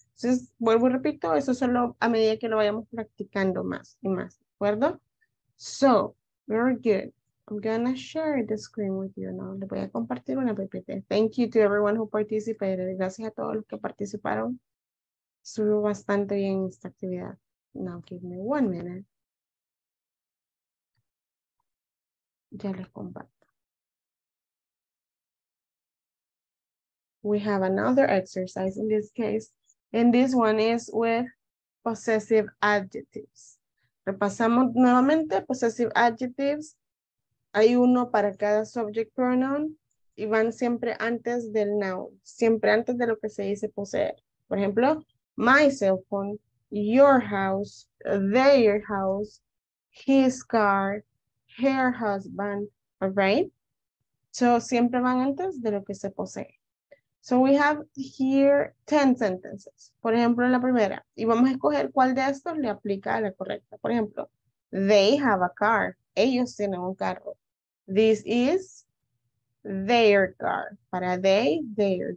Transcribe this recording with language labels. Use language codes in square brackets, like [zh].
[es] Entonces, vuelvo y repito, eso solo a medida que lo vayamos practicando más y más, ¿de acuerdo? [en] So, very good. I'm gonna share the screen with you now. [es] Le voy a compartir una PPT. [en] Thank you to everyone who participated. [es] Gracias a todos los que participaron. Estuvo bastante bien esta actividad. [en] Now, give me 1 minute. [es] Ya les comparto. [en] We have another exercise in this case, and this one is with possessive adjectives. [es] Repasamos nuevamente possessive adjectives. Hay uno para cada subject pronoun y van siempre antes del noun, siempre antes de lo que se dice poseer. Por ejemplo, [en] my cell phone, your house, their house, his car, her husband, all right? [es] So siempre van antes de lo que se posee. [en] So we have here 10 sentences. [es] Por ejemplo, la primera. Y vamos a escoger cuál de estos le aplica a la correcta. Por ejemplo, [en] they have a car. [es] Ellos tienen un carro. [en] This is their car. Para they, their.